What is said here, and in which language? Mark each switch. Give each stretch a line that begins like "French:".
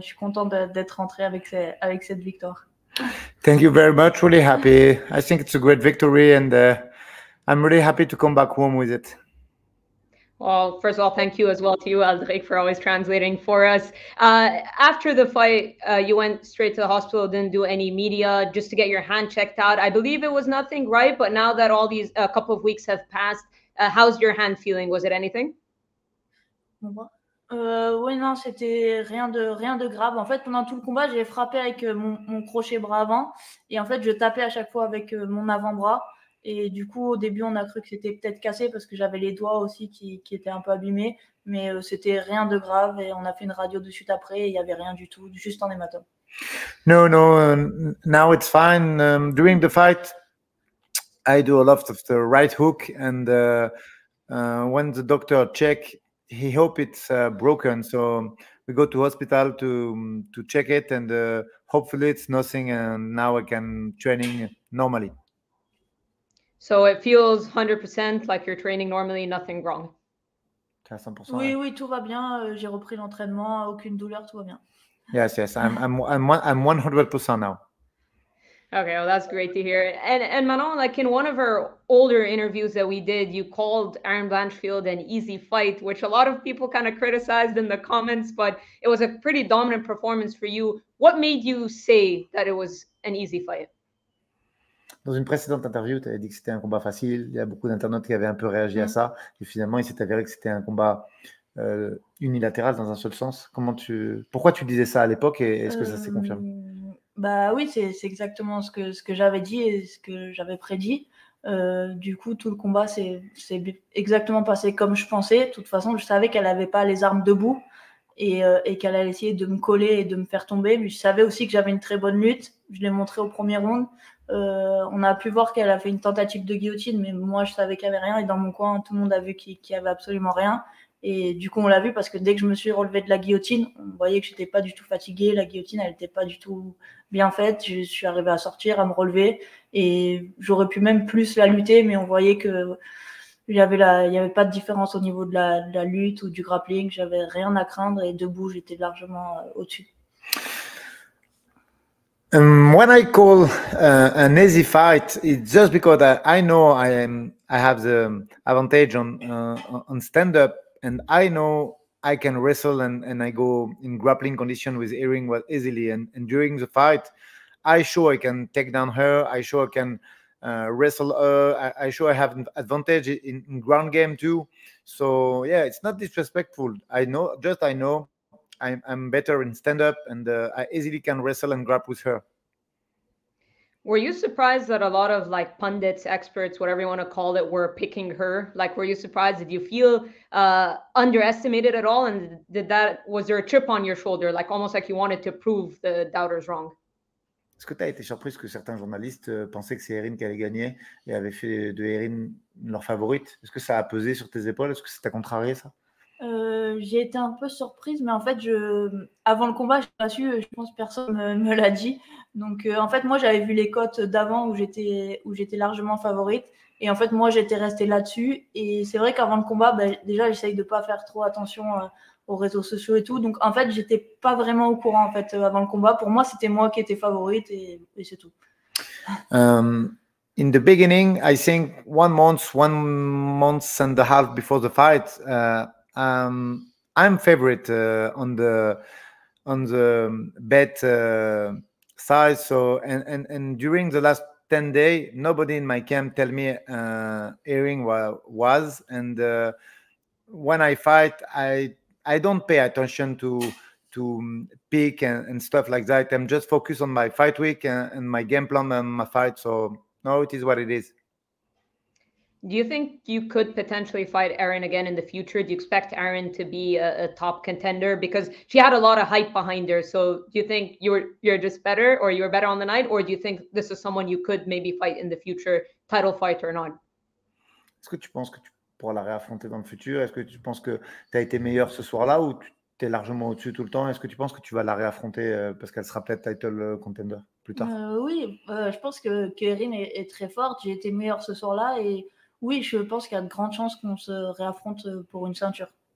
French: Je suis contente d'être rentrée avec cette victoire.
English: Thank you very much. Really happy. I think it's a great victory and I'm really happy to come back home with it. Well, first of all, thank you as well to you, Aldric, for always translating for us. After the fight, you went straight to the hospital, didn't do any media, just to get your hand checked out. I believe it was nothing, right? But now that all these couple of weeks have passed, how's your hand feeling? Was it anything?
French: Oui, non, c'était rien de grave. En fait, pendant tout le combat, j'ai frappé avec mon crochet bras avant. Et en fait, je tapais à chaque fois avec mon avant-bras. Et du coup, au début, on a cru que c'était peut-être cassé parce que j'avais les doigts aussi qui étaient un peu abîmés. Mais c'était rien de grave. Et on a fait une radio de suite après. Il n'y avait rien du tout, juste un hématome.
English: No. Now it's fine. During the fight, I do a lot of the right hook. And when the doctor check, he hope it's broken. So we go to hospital to check it. And hopefully it's nothing. And now I can training normally. So it feels 100% like you're training normally, nothing wrong. 100%.
French: Oui, tout va bien. J'ai repris l'entraînement, aucune douleur, tout va bien.
English: Yes. I'm 100% now. Okay, well, that's great to hear. And Manon, like in one of our older interviews that we did, you called Erin Blanchfield an easy fight, which a lot of people kind of criticized in the comments, but it was a pretty dominant performance for you. What made you say that it was an easy fight?
French: Dans une précédente interview, tu avais dit que c'était un combat facile. Il y a beaucoup d'internautes qui avaient un peu réagi à ça. Et finalement, il s'est avéré que c'était un combat unilatéral dans un seul sens. Pourquoi tu disais ça à l'époque et est-ce que ça s'est confirmé? Bah oui, c'est exactement ce que j'avais dit et ce que j'avais prédit. Du coup, tout le combat s'est exactement passé comme je pensais. De toute façon, je savais qu'elle n'avait pas les armes debout et qu'elle allait essayer de me coller et de me faire tomber. Mais je savais aussi que j'avais une très bonne lutte. Je l'ai montré au premier round. On a pu voir qu'elle a fait une tentative de guillotine, mais moi je savais qu'il n'y avait rien et dans mon coin tout le monde a vu qu'il n'y avait absolument rien et du coup on l'a vu parce que dès que je me suis relevé de la guillotine, on voyait que je n'étais pas du tout fatiguée, la guillotine elle n'était pas du tout bien faite, je suis arrivée à sortir, à me relever et j'aurais pu même plus la lutter mais on voyait que il n'y avait pas de différence au niveau de la lutte ou du grappling, j'avais rien à craindre et debout j'étais largement au-dessus.
English: When I call an easy fight, it's just because I know I have the advantage on stand up, and I know I can wrestle and I go in grappling condition with Erin well easily. And during the fight, I show I can take down her. I show I can wrestle her. I show I have an advantage in ground game too. So yeah, it's not disrespectful. I know. I'm better in stand-up and I easily can wrestle and grapple with her. Were you surprised that a lot of like pundits, experts, whatever you want to call it, were picking her? Like, were you surprised? Did you feel underestimated at all? And was there a chip on your shoulder? Like, almost like you wanted to prove the doubters wrong?
French: Est-ce que tu as été surprise que certains journalistes pensaient que c'est Erin qui allait gagner et avaient fait de Erin leur favorite? Est-ce que ça a pesé sur tes épaules? Est-ce que ça t'a contrarié ça? J'ai été un peu surprise, mais en fait, avant le combat, je pense que personne me l'a dit. Donc, en fait, moi, j'avais vu les cotes d'avant où j'étais largement favorite. Et en fait, moi, j'étais restée là-dessus. Et c'est vrai qu'avant le combat, bah, déjà, j'essaye de ne pas faire trop attention aux réseaux sociaux et tout. Donc, en fait, j'étais pas vraiment au courant en fait, avant le combat. Pour moi, c'était moi qui étais favorite et c'est tout.
English: In the beginning, I think one month and a half before the fight, I'm favorite on the bet side. So and during the last 10 days, nobody in my camp tell me Erin was. And when I fight, I don't pay attention to pick and stuff like that. I'm just focused on my fight week and my game plan and my fight. So no, it is what it is. Do you think you could potentially fight Erin again in the future? Do you expect Erin to be a top contender? Because she had a lot of hype behind her. So do you think you're just better or you're better on the night? Or do you think this is someone you could maybe fight in the future, title fight or not?
French: Est-ce que tu penses que tu pour la réaffronter dans le futur? Est-ce que tu penses que tu as été meilleur ce soir-là ou tu es largement au-dessus tout le temps? Est-ce que tu penses que tu vas la réaffronter parce qu'elle sera peut-être title contender plus tard? Je pense que Erin est très forte. J'ai été meilleur ce soir-là et oui, je pense qu'il y a de grandes chances qu'on se réaffronte pour une ceinture.